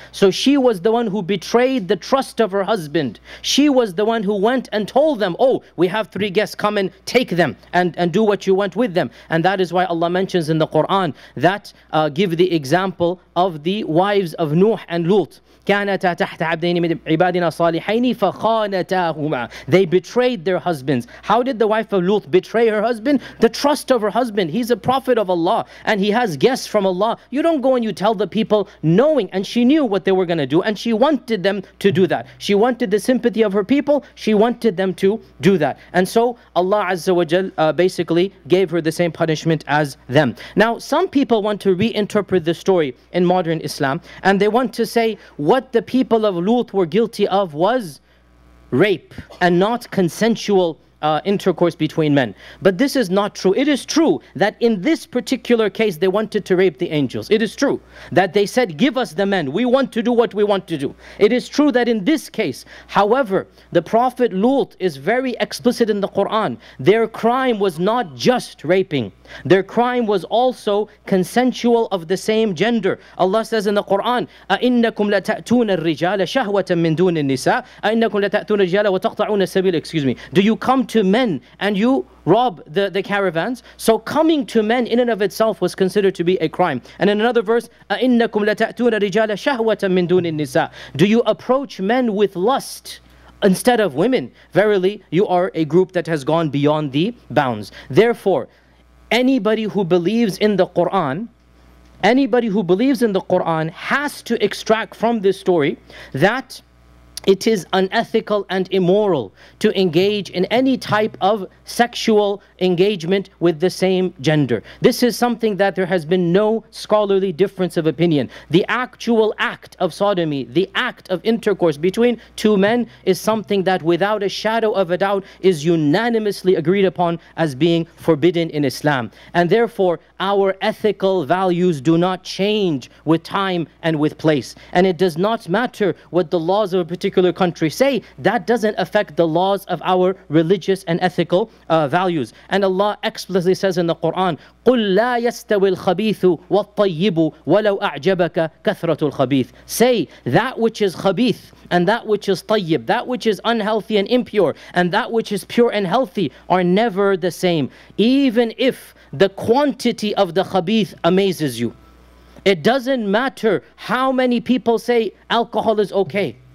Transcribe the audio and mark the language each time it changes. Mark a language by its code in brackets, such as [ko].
[en] So she was the one who betrayed the trust of her husband. She was the one who went and told them, "Oh, we have three guests, come and take them and do what you want with them." And that is why Allah mentions in the Quran that give the example of the wives of Nuh and Lut. [ar] كانتا تحت عبدين من عبادنا صالحين فخانتاهما. [en] They betrayed their husbands. How did the wife of Lut betray her husband? The trust of her husband. He's a prophet of Allah and he has guests from Allah. You don't go and you tell the people knowing, and she knew what they were going to do, and she wanted them to do that. She wanted the sympathy of her people. She wanted them to do that. And so Allah Azza wa Jal basically gave her the same punishment as them. Now, some people want to reinterpret the story in modern Islam, and they want to say what the people of Lut were guilty of was rape and not consensual intercourse between men. But this is not true. It is true that in this particular case, they wanted to rape the angels. It is true that they said, "Give us the men. We want to do what we want to do." It is true that in this case, however, the Prophet Lut is very explicit in the Quran. Their crime was not just raping. Their crime was also consensual of the same gender. Allah says in the Quran, [ar] أَإِنَّكُمْ لَتَأْتُونَ الرِّجَالَ شَهْوَةً مِّن دُونِ النِّسَاءِ أَإِنَّكُمْ لَتَأْتُونَ الرِّجَالَ وَتَقْطَعُونَ السَّبِيلَ. [en] Excuse me. Do you come to men and you rob the caravans? So coming to men in and of itself was considered to be a crime. And in another verse, [ar] أَإِنَّكُمْ لَتَأْتُونَ الرِّجَالَ شَهْوَةً مِّن دُونِ النِّسَاءِ. [en] Do you approach men with lust instead of women? Verily, you are a group that has gone beyond the bounds. Therefore, anybody who believes in the Quran, anybody who believes in the Quran has to extract from this story that it is unethical and immoral to engage in any type of sexual engagement with the same gender. This is something that there has been no scholarly difference of opinion. The actual act of sodomy, the act of intercourse between two men, is something that without a shadow of a doubt is unanimously agreed upon as being forbidden in Islam. And therefore, our ethical values do not change with time and with place. And it does not matter what the laws of a particular country say, that doesn't affect the laws of our religious and ethical values. And Allah explicitly says in the Quran, [ar] قُلْ لَا يَسْتَوِي الْخَبِيثُ وَالطَّيِّبُ وَلَوْ أَعْجَبَكَ كَثْرَةُ الْخَبِيثُ. [en] Say, that which is khabith and that which is tayyib, that which is unhealthy and impure, and that which is pure and healthy are never the same. Even if the quantity of the khabith amazes you, it doesn't matter how many people say alcohol is okay.